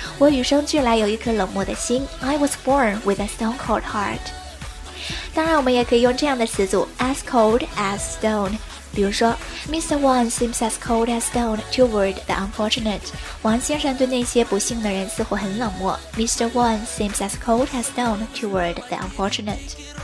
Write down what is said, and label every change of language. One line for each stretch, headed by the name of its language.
Chinese: 我与生俱来有一颗冷漠的心。
English: I was born with a stone-cold heart.
Chinese: 当然我们也可以用这样的词组
English: as cold as stone.
Chinese: 比如说 Mr.
English: Wang seems as cold as stone toward the unfortunate.
Chinese: 王先生对那些不幸的人似乎很冷漠。
English: Mr. Wang seems as cold as stone toward the unfortunate.